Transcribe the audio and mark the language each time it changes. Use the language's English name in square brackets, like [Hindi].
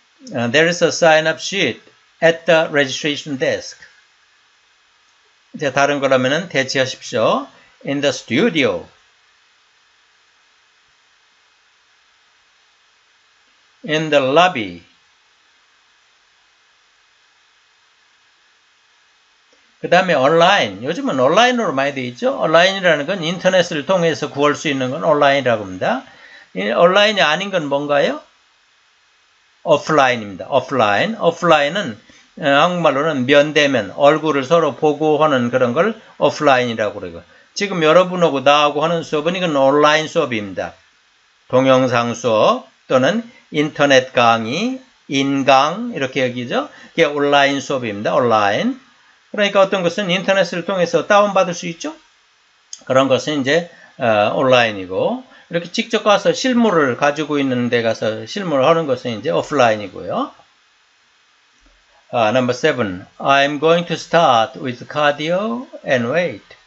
[English] There is a sign-up sheet at the registration desk. [Korean] 이제 다른 거라면은 대체하십시오. [English] In the studio. In the lobby. online. [Korean] 요즘은 온라인으로 많이 되어 있죠. 온라인이라는 건 인터넷을 통해서 구할 수 있는 건 온라인이라고 합니다. 온라인이 아닌 건 뭔가요? [English] offline입니다. offline. [Korean] offline은 한국말로는 면대면, 얼굴을 서로 보고 하는 그런 걸 오프라인이라고 그러고 지금 여러분하고 나하고 하는 수업은 이건 온라인 수업입니다. 동영상 수업 또는 인터넷 강의, 인강 이렇게 여기죠. 그게 온라인 수업입니다. 온라인. 그러니까 어떤 것은 인터넷을 통해서 다운받을 수 있죠. 그런 것은 이제 온라인이고 이렇게 직접 가서 실물을 가지고 있는 데 가서 실물을 하는 것은 이제 오프라인이고요. [English] Number 7. I'm going to start with cardio and weight.